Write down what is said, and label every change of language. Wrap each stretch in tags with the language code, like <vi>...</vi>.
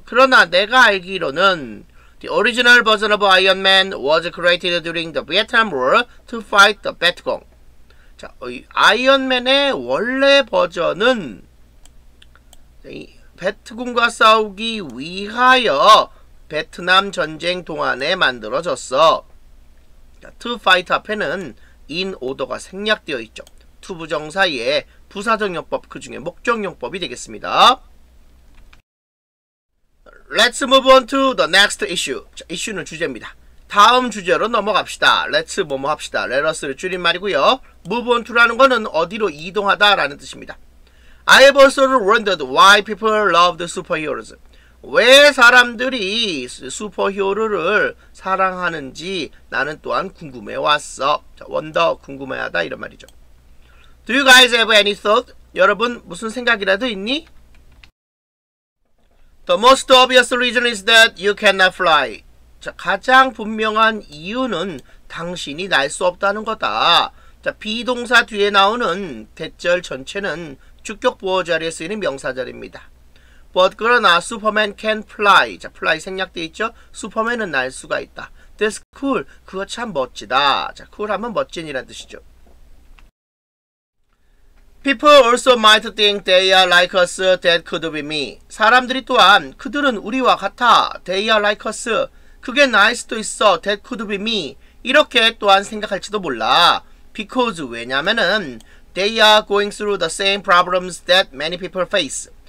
<ko>그러나 내가 알기로는</ko> <en>The original version of Iron Man was created during the Vietnam War to fight the Viet Cong.</en> <ko>자, 아이언맨의 원래 버전은 베트콩과 싸우기 위하여 베트남 전쟁 동안에 만들어졌어. 자, to fight 앞에는 in order가 생략되어 있죠. to 부정 사이에 부사정용법, 그 중에 목적용법이 되겠습니다.</ko> <en>Let's move on to the next issue.</en> <ko>자, issue는 주제입니다. 다음 주제로 넘어갑시다. Let's 뭐뭐 합시다. Let us를 줄임말이고요. Move on to라는 거는 어디로 이동하다 라는 뜻입니다.</ko> <en>I've also wondered why people loved superheroes.</en> <ko>왜 사람들이 슈퍼히어로를 사랑하는지 나는 또한 궁금해 왔어. 자, wonder, 궁금해하다 이런 말이죠.</ko> <en>Do you guys have any thought?</en> <ko>여러분 무슨 생각이라도 있니?</ko> <en>The most obvious reason is that you cannot fly.</en> <ko>자, 가장 분명한 이유는 당신이 날 수 없다는 거다. 자, 비동사 뒤에 나오는 대절 전체는 주격 보호 자리에 쓰이는 명사절입니다.</ko> <en>But 그러나 Superman can fly.</en> <ko>자, fly 생략되어 있죠? 슈퍼맨은 날 수가 있다.</ko> <en>That's cool.</en> <ko>그거 참 멋지다. 자, cool 하면 멋진이란 뜻이죠.</ko> <en>People also might think they are like us. That could be me.</en> <ko>사람들이 또한 그들은 우리와 같아.</ko> <en>They are like us.</en> <ko>그게 나일 수도 있어.</ko> <en>That could be me.</en> <ko>이렇게 또한 생각할지도 몰라.</ko> <en>Because,</en> <ko>왜냐면은</ko> <en>they are going through the same problems that many people face.</en>